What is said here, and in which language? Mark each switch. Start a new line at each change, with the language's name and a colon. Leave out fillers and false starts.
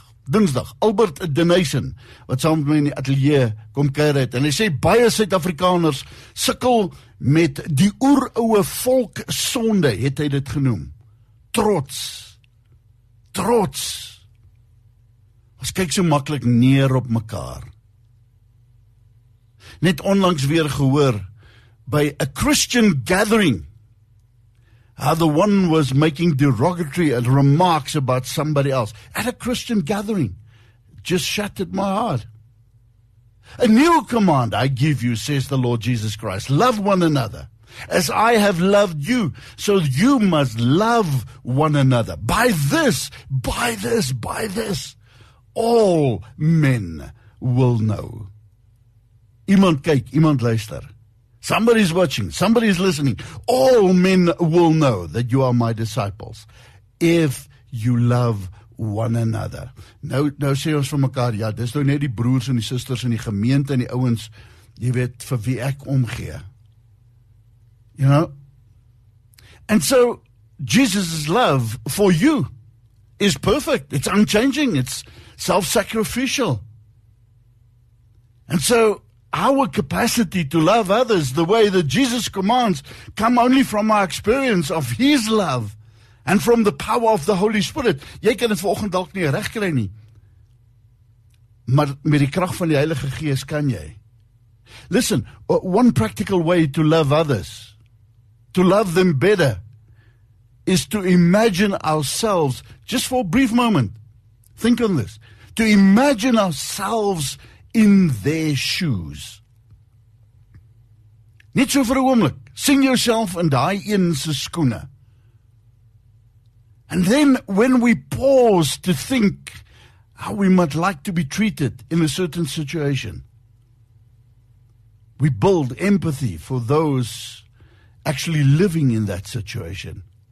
Afrikaans: Dinsdag, Albert Denison, wat saam met my in die atelier kom kuier het, en hy sê, baie Suid-Afrikaners sukkel met die oeroue volkssonde, het hy dit genoem. Trots. Ons kyk so makkelijk neer op mekaar. Net onlangs weer gehoor, by
English: a Christian gathering, how the one was making derogatory remarks about somebody else. At a Christian gathering, just shattered my heart. A new command I give you, says the Lord Jesus Christ. Love one another as I have loved you. So you must love one another. By this, all men will know.
Afrikaans: Iemand kyk, iemand luister.
English: Somebody's watching, somebody's listening. All men will know that you are my disciples if you love one another.
Afrikaans: Nou sê ons vir mekaar, ja, dis nou net die broers en die sisters en die gemeente en die ouens, jy weet, vir wie ek omgee.
English: You know? And so, Jesus' love for you is perfect. It's unchanging. It's self-sacrificial. And so, our capacity to love others the way that Jesus commands come only from our experience of His love and from the power of the Holy Spirit.
Afrikaans: Jy kan het volgende dag nie recht kry nie. Maar met die kracht van die Heilige Geest kan jy.
English: Listen, one practical way to love others, to love them better, is to imagine ourselves, just for a brief moment, think on this, to imagine ourselves in their shoes.
Afrikaans: Net so vir 'n oomblik.
English: Sing yourself in
Afrikaans: daai een se skoene.
English: And then when we pause to think how we might like to be treated in a certain situation, we build empathy for those actually living in that situation.